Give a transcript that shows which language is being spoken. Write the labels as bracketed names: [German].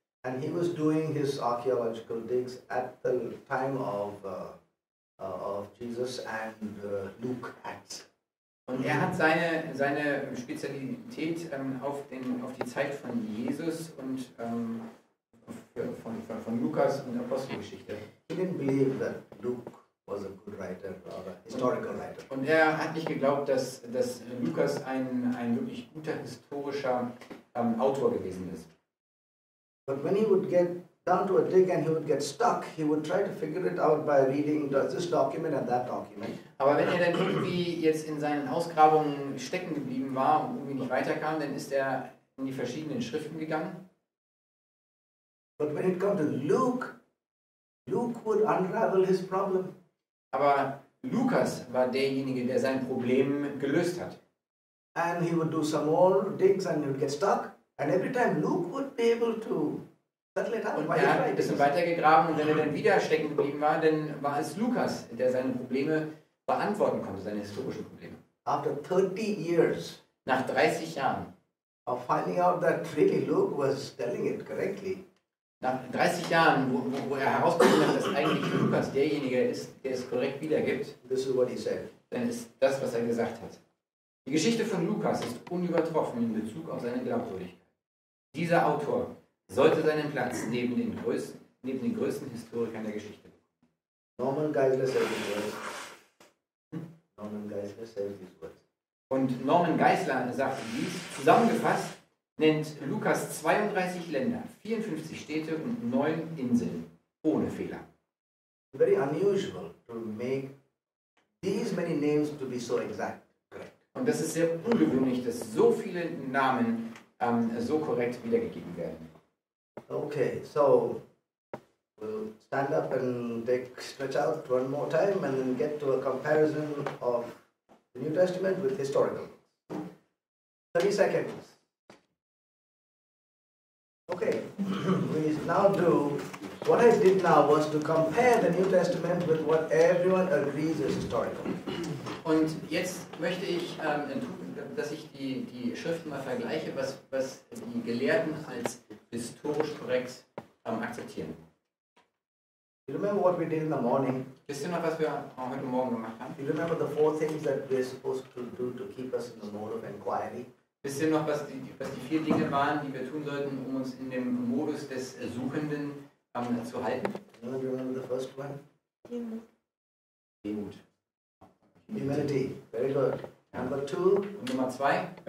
[English] And he was doing his archaeological digs at the time of Jesus and Luke Acts. [German] Und er hat seine Spezialität auf die Zeit von Jesus und von Lukas und der Apostelgeschichte. [English] He didn't believe that Luke was a good writer or a historical writer. [German] Und er hat nicht geglaubt, dass Lukas ein wirklich guter historischer Autor gewesen ist. [English] But when he would get down to a dig and he would get stuck, he would try to figure it out by reading this document and that document. [German] Aber wenn er dann irgendwie jetzt in seinen Ausgrabungen stecken geblieben war und irgendwie nicht weiterkam, dann ist er in die verschiedenen Schriften gegangen. [English] But when it comes to Luke would unravel his problem. [German] Aber Lukas war derjenige, der sein Problem gelöst hat. [English] And he would do some more digs and he would get stuck. And every time Luke would be able to settle it up. [German] Und er hat ein bisschen weitergegraben und wenn er dann wieder stecken geblieben war, dann war es Lukas, der seine Probleme beantworten konnte, seine historischen Probleme. [English] After 30 years. [German] Nach 30 Jahren. [English] Of finding out that really Luke was telling it correctly. [German] Nach 30 Jahren, wo er herausgefunden hat, dass eigentlich Lukas derjenige ist, der es korrekt wiedergibt, [English] this is what he said. [German] Dann ist das, was er gesagt hat. Die Geschichte von Lukas ist unübertroffen in Bezug auf seine Glaubwürdigkeit. Dieser Autor sollte seinen Platz neben den größten Historikern der Geschichte bekommen. [English] Norman Geisler said these words. Norman Geisler said these words. [German] Und Norman Geisler sagt dies, zusammengefasst nennt Lukas 32 Länder, 54 Städte und 9 Inseln, ohne Fehler. [English] Very unusual to make these many names to be so exact. Correct. [German] Und das ist sehr ungewöhnlich, dass so viele Namen so korrekt wiedergegeben werden. [English] Okay, so we'll stand up and take stretch out one more time and then get to a comparison of the New Testament with historical. 30 seconds. Okay, we now do, what I did now was to compare the New Testament with what everyone agrees is historical. [German] Und jetzt möchte ich dass ich die Schriften mal vergleiche, was die Gelehrten als historisch korrekt akzeptieren. [English] You remember what we did in the morning? [German] Wisst ihr noch, was wir heute Morgen gemacht haben? [English] You remember the four things that we're supposed to do to keep us in the mode of inquiry? [German] Wisst ihr noch, was die vier Dinge waren, die wir tun sollten, um uns in dem Modus des Suchenden zu halten? [English] You remember the first one? [German] Demut. [English] Humility. Very good. Number two. [German] Und Nummer zwei.